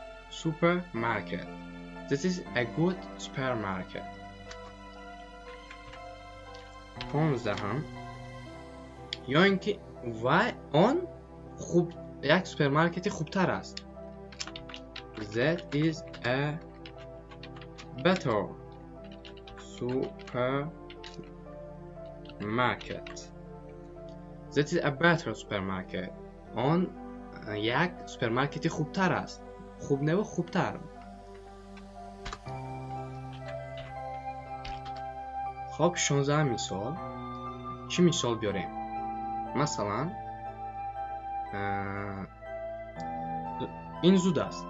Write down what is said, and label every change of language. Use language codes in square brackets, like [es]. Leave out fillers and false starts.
[en] Supermarket. This is a good supermarket. 15. [fa] یا اینکه وای آن خوب یک سوپرمارکت خوبتر است. [en] That is a better supermarket. That is a better supermarket. [fa] آن یک سوپرمارکت خوبتر است. خوب نه و خوبتر. خب 16 مثال. چی مثال بیاریم؟ مثلا این زود است.